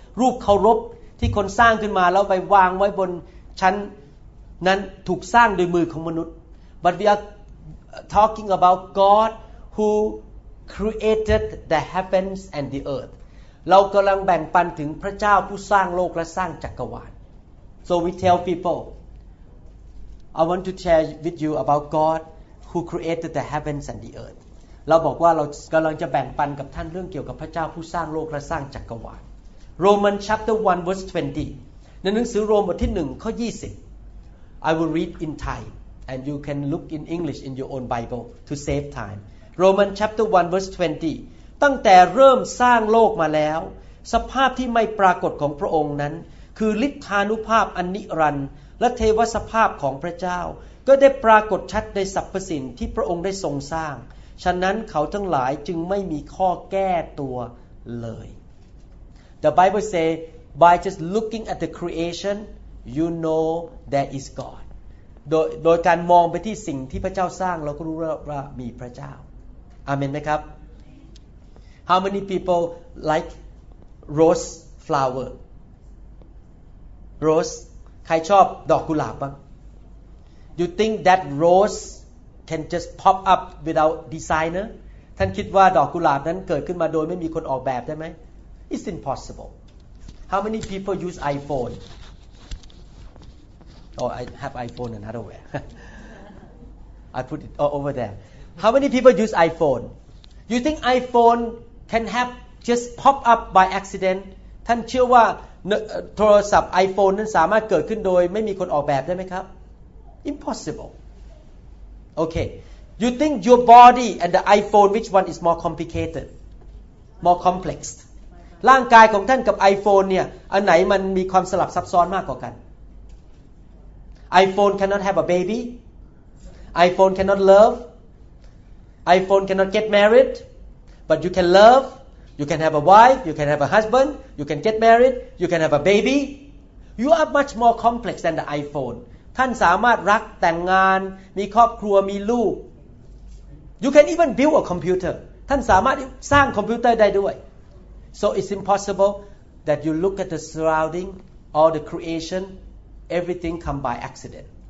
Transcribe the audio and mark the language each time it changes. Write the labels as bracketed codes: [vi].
[th] รูปเคารพที่คนสร้างขึ้นมาแล้วไปวางไว้บนชั้นนั้นถูกสร้างโดยมือของมนุษย์ [en] But we are talking about God who created the heavens and the earth. [th] เรากำลังแบ่งปันถึงพระเจ้าผู้สร้างโลกและสร้างจักรวาล [en] So we tell people, I want to share with you about God who created the heavens and the earth. [th] เราบอกว่าเรากำลังจะแบ่งปันกับท่านเรื่องเกี่ยวกับพระเจ้าผู้สร้างโลกและสร้างจักรวาล [en] Romans chapter 1 verse 20. [th] ในหนังสือโรมบทที่1ข้อ20 [en] I will read in ThaiAnd you can look in English in your own Bible to save time. Romans chapter 1 verse 20. [th] ตั้งแต่เริ่มสร้างโลกมาแล้วสภาพที่ไม่ปรากฏของพระองค์นั้นคือฤทธานุภาพอันนิรันดร์และเทวสภาพของพระเจ้าก็ได้ปรากฏชัดในสรรพสิ่งที่พระองค์ได้ทรงสร้างฉะนั้นเขาทั้งหลายจึงไม่มีข้อแก้ตัวเลย [en] The Bible say by just looking at the creation you know there is God [th] โดยการมองไปที่สิ่งที่พระเจ้าสร้างเราก็รู้ว่ามีพระเจ้าอาเมนไหมครับ [en] How many people like rose flower rose [th] ใครชอบดอกกุหลาบบ้าง [en] You think that rose can just pop up without designer [th] ท่านคิดว่าดอกกุหลาบนั้นเกิดขึ้นมาโดยไม่มีคนออกแบบได้ไหม [en] It's impossible How many people use iPhoneOh, I have iPhone in another way. I put it all over there. How many people use iPhone? You think iPhone can have just pop up by accident? [th] ท่านเชื่อว่าโทรศัพท์ iPhone นั้นสามารถเกิดขึ้นโดยไม่มีคนออกแบบได้ไหมครับ Impossible. [en] Okay. You think your body and the iPhone, which one is more complicated? More complex. [th] ร่างกายของท่านกับ iPhone เนี่ยอันไหนมันมีความสลับซับซ้อนมากกว่ากัน [en] iPhone cannot have a baby. iPhone cannot love. iPhone cannot get married. But you can love. You can have a wife. You can have a husband. You can get married. You can have a baby. You are much more complex than the iPhone. [th] ท่านสามารถรักแต่งงานมีครอบครัวมีลูก [en] You can even build a computer. [th] ท่านสามารถสร้างคอมพิวเตอร์ได้ด้วย [en] So it's impossible that you look at the surrounding, all the creation.Everything come by accident.